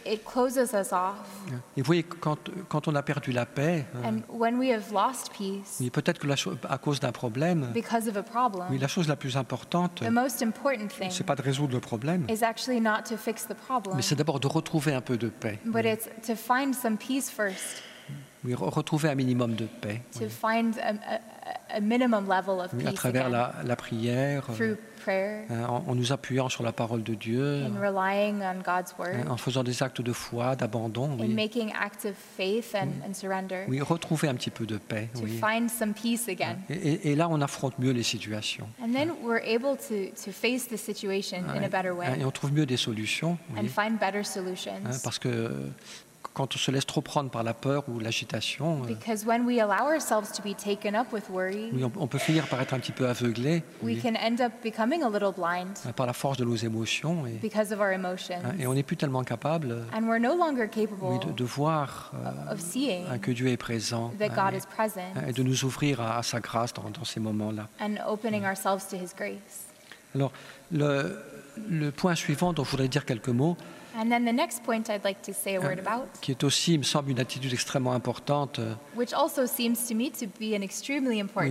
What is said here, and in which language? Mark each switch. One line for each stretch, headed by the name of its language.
English: it closes us off.
French: Et vous voyez, quand on a perdu la paix,
English: and when we have lost peace,
French: oui, peut-être que à cause d'un problème.
English: Of a problem.
French: Oui, la chose la plus importante,
English: the most important thing,
French: c'est pas de résoudre le problème,
English: is actually not to fix the problem,
French: mais c'est d'abord de retrouver un peu de paix.
English: But oui. It's to find some peace first.
French: Oui, retrouver un minimum de paix.
English: To oui. find a minimum level of peace.
French: À travers
English: again.
French: La prière.
English: Through prayer.
French: En nous appuyant sur la parole de Dieu.
English: In relying on God's word.
French: En faisant des actes de foi, d'abandon.
English: In oui. making acts of faith and surrender.
French: Oui, retrouver un petit peu de paix.
English: To oui. find some peace again.
French: Et là, on affronte mieux les situations.
English: And then we're able to face the situation in a better way.
French: Et on trouve mieux des solutions.
English: And oui. find better solutions.
French: Parce que quand on se laisse trop prendre par la peur ou l'agitation,
English: because when we allow ourselves to be taken up with worry,
French: oui, on peut finir par être un petit peu aveuglé,
English: we oui. can end up becoming a little blind,
French: par la force de nos émotions, et,
English: because of our emotions,
French: et on n'est plus tellement capable,
English: and we're no longer capable,
French: oui, de voir
English: of seeing
French: que Dieu est présent,
English: that God is present,
French: et de nous ouvrir à sa grâce dans ces moments-là,
English: and opening oui. ourselves to his grace.
French: Alors, le point suivant dont je voudrais dire quelques mots,
English: and then the next point I'd like to say a word about,
French: qui est aussi, il me semble, une attitude extrêmement importante,
English: which also seems to me to be an extremely important